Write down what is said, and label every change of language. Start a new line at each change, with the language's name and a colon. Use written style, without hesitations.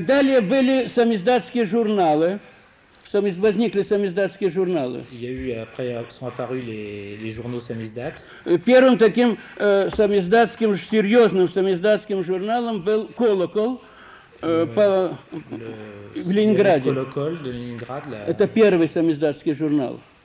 Russian: Далее были самиздатские журналы. Возникли самиздатские журналы.
French: Il y a eu après sont apparus les journaux самиздат.
Russian: Первым таким самиздатским серьезным самиздатским журналом был Колокол. В Ленинграде. Это первый самиздатский журнал.